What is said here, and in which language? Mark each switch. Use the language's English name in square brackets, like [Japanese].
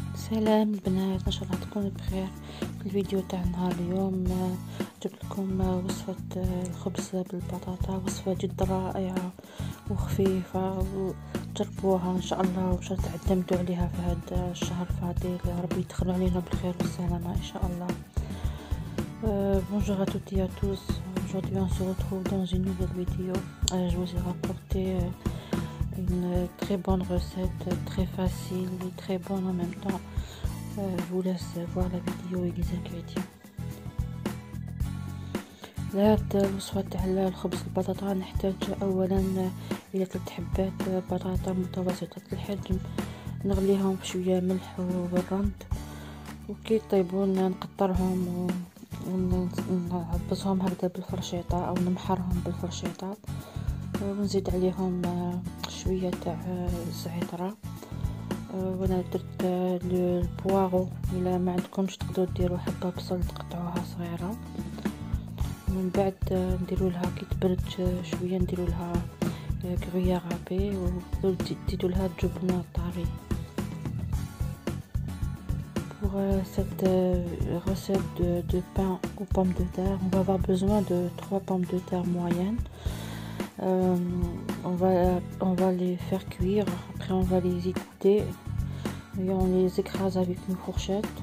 [Arabic] سلام البنات، ان شاء الله تكونوا بخير. في الفيديو تاع نهار اليوم جبت لكم وصفة الخبز بالبطاطا، وصفة جدا رائعة وخفيفة، وجربوها ان شاء الله وان شاء الله تعتمدوا عليها في هذا الشهر الفاضل. يا ربي يدخلوا علينا بالخير والسلامة ان شاء الله. [French] بونجور ا توتي ا توس، aujourd'hui on se retrouve dans une nouvelle vidéo. Je vous ai rapporté une très bonne recette, très facile et très bonne en même temps. Je vous laisse voir la vidéo et les ingrédients. [Arabic] La وصفة تاع الخبز البطاطا، نحتاج اولا الى 3 حبات بطاطا متوسطة الحجم، نغليهم بشوية ملح وبرند، وكي يطيبون نقطرهم ونعبصهم هكذا بالفرشيطة او نمحرهم بالفرشيطة، ونزيد عليهم شويه تاع الزعتر. وانا درت البواغو، الا ما عندكمش تقدروا ديروا حبه بصل تقطعوها صغيره. من بعد نديروا لها كي تبرد شويه، نديروا لها كغيا غابي وتديروا لها جبنه طري. [French] Pour cette recette de pain aux pommes de terre, on va avoir besoin de 3 pommes de terre moyennes. On va les faire cuire, après on va les égoutter et on les écrase avec une fourchette.